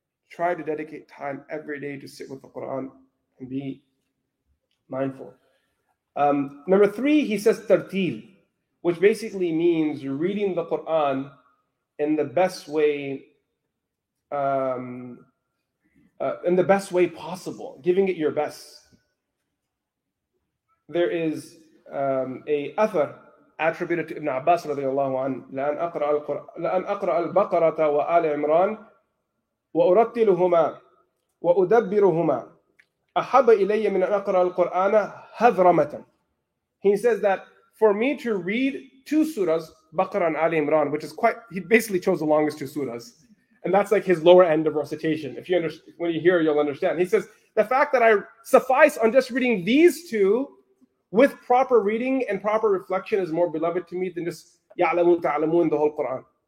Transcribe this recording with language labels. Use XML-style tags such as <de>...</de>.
<en>Try to dedicate time every day to sit with the Quran and be mindful. Number three, he says tartil, which basically means reading the Quran in the best way, in the best way possible, giving it your best. There is a athar attributed to Ibn Abbas radiallahu anhu,</en> <ar>لأن أقرأ البقرة وآل عمران وأرتلهما وأدبرهما أحب إلي من أن أقرأ القرآن هذرمة.</ar> <en>He says that for me to read two surahs, Baqarah and Ali Imran, which is quite, he basically chose the longest two surahs. And that's like his lower end of recitation. If you understand, when you hear, you'll understand. He says, the fact that I suffice on just reading these two with proper reading and proper reflection is more beloved to me than just Ya'lamun Ta'lamun, the whole Quran.</en>